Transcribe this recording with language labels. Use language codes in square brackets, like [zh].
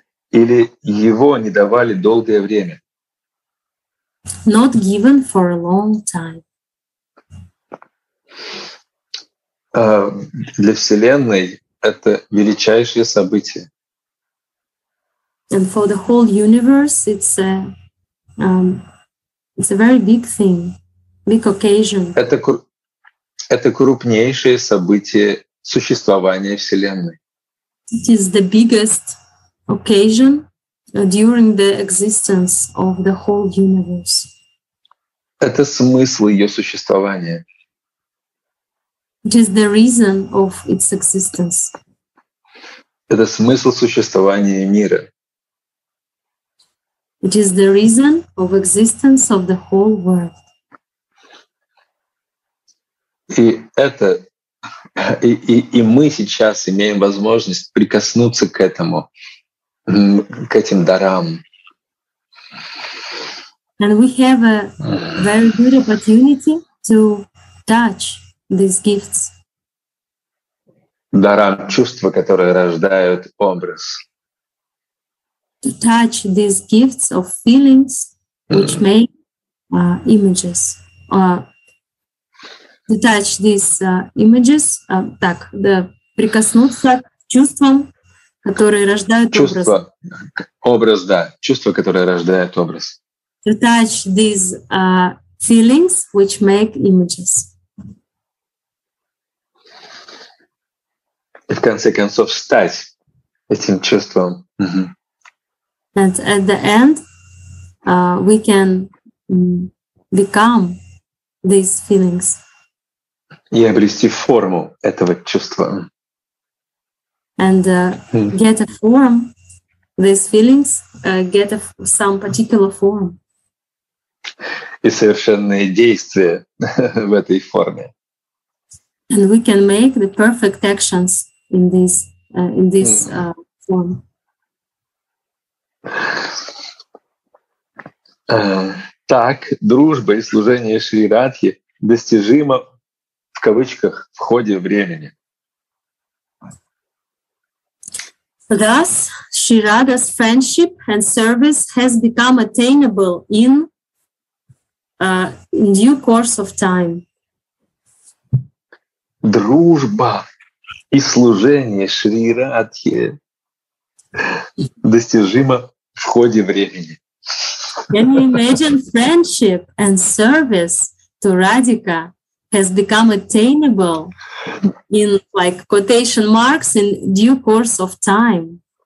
[ru] Или его не давали долгое время. [en] Not given for a long time. [ru] Для Вселенной это величайшее событие. [en] And for the whole universe it's a very big thing. Big occasion. [ru] Это, Это крупнейшее событие существования Вселенной. [en] It is the biggest occasion during the existence of the whole universe. [ru] Это смысл ее существования. [en] It is the reason of its existence. [ru] Это смысл существования мира. [en] It is the reason of existence of the whole world. [ru] И мы сейчас имеем возможность прикоснуться к этому, к этим дарам. [en] And we have a very good opportunity to touch these gifts. [ru] Дарам чувства, которые рождают образ. [en] To touch these gifts of feelings, which make images. To touch these images, [ru] так, да, прикоснуться к чувствам, которые рождают чувства, образ. Образ, да, чувства, которые рождают образ. [en] To touch these feelings, which make images. [ru] И в конце концов стать этим чувством. [en] And at the end, we can become these feelings. [ru] И обрести форму этого чувства. [en] And get a form, these feelings, get some particular form. [ru] И совершенные действия в этой форме. [en] And we can make the perfect actions in this form. [ru] Так, дружба и служение Шри Радхе достижимо в кавычках в ходе времени. [en] Thus, Shri Radha's friendship and service has become attainable in due course of time. [ru] Дружба и служение Шри Радхе достижимо в ходе времени. [en] Can you imagine friendship and service to Radhika has become attainable in like quotation marks in due course of time?